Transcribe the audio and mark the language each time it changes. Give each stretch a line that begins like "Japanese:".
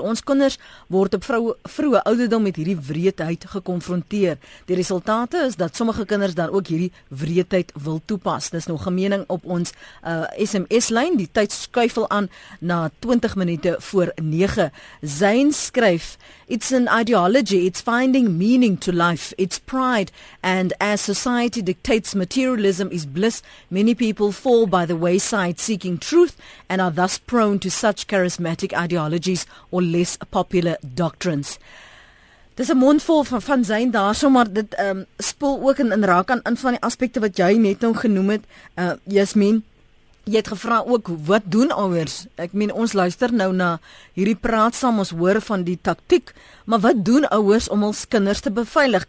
Afrikaans: Ons kinders word op vroeë ouderdom met hierdie wreedheid gekonfronteer. Die resultate is dat sommige kinders dan ook hierdie wreedheid wil toepas. Dis nog 'n mening op ons SMS-lyn, die tyd skuifel aan na 20 minute voor 9. Zyn skryf,
English: it's an ideal theology, it's finding meaning to life, it's pride, and as society dictates materialism is bliss, many people fall by the wayside seeking truth and are thus prone to such charismatic ideologies or less popular doctrines.
Afrikaans: Dis 'n mondvol van Zayn daarso, maar dit spul ook in raak aan in van die aspekte wat jy net nou genoem het, Jasmin. Jy het gevra ook, wat doen ouers? Ek meen, ons luister nou na hierdie praat saam, ons hoor van die taktiek, maar wat doen ouers om ons kinders te beveilig?